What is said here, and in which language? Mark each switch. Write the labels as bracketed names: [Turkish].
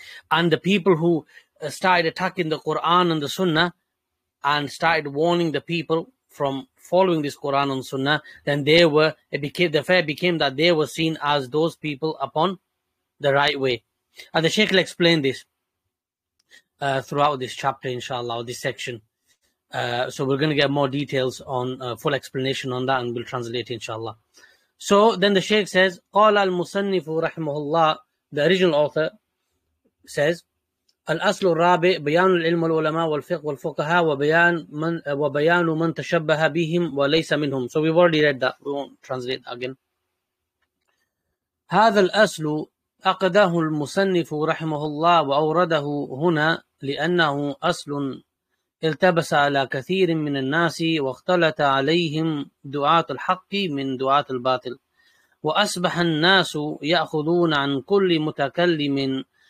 [English] And the people who started attacking the Quran and the Sunnah and started warning the people from following this Quran and Sunnah, then they were, the affair became that they were seen as those people upon the right way. And the Shaykh will explain this throughout this chapter, inshallah, or this section. So we're going to get more details on full explanation on that, and we'll translate it, inshallah. So then the Shaykh says, [Arabic] قال المصنف رحمه الله, [English] the original author says, [Arabic] الأصل الرابع بيان العلم والعلماء والفقه والفقهاء وبيان من تشبه بهم وليس منهم. [English] So we've already read that. We won't translate again. [Arabic] هذا الأصل أقده المصنف رحمه الله وأورده هنا لأنه أصل التبس على كثير من الناس واختلط عليهم دعاة الحق من دعاة الباطل وأصبح الناس يأخذون عن كل متكلم